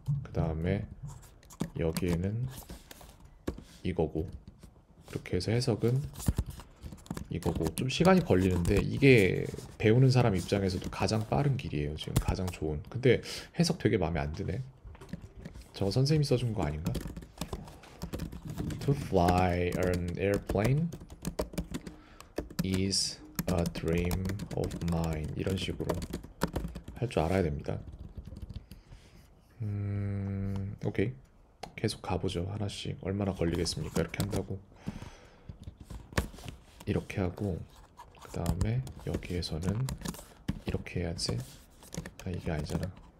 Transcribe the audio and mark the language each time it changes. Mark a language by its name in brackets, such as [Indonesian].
[Korean] 그 다음에 여기에는 이거고, 그렇게 해서 해석은 이거고. 좀 시간이 걸리는데 이게 배우는 사람 입장에서도 가장 빠른 길이에요. 지금 가장 좋은. 근데 해석 되게 마음에 안 드네. 저거 선생님이 써준 거 아닌가? [English] To fly an airplane is a dream of mine. [Korean] 이런 식으로 할줄 알아야 됩니다. 오케이. 계속 가보죠. 하나씩. 얼마나 걸리겠습니까? 이렇게 한다고. 이렇게 하고, 그 다음에 여기에서는 이렇게 해야지. 아, 이게 아니잖아.